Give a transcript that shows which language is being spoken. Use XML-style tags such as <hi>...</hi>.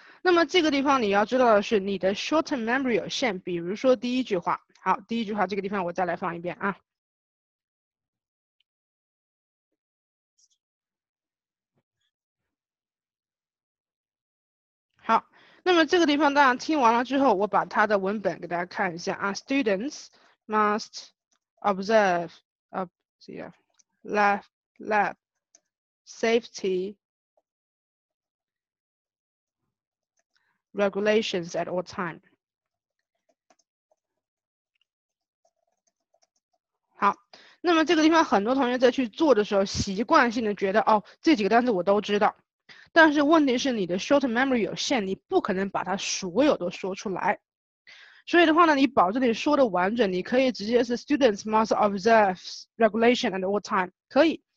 <zh>那么这个地方你要知道的是你的</zh> <en>short term memory</en> <zh>有限，比如说第一句话，好，第一句话这个地方我再来放一遍啊。好，那么这个地方大家听完了之后，我把它的文本给大家看一下啊。</zh> <en>Students must observe lab safety regulations at all time。</en> <zh>好，那么这个地方很多同学在去做的时候，习惯性的觉得哦，这几个单词我都知道。但是问题是你的</zh> <en>short memory</en> <zh>有限，你不可能把它所有都说出来。所以的话呢，你保证你说的完整，你可以直接是</zh> <en>students must observe regulation at all</en> <zh>time， 可以。</zh>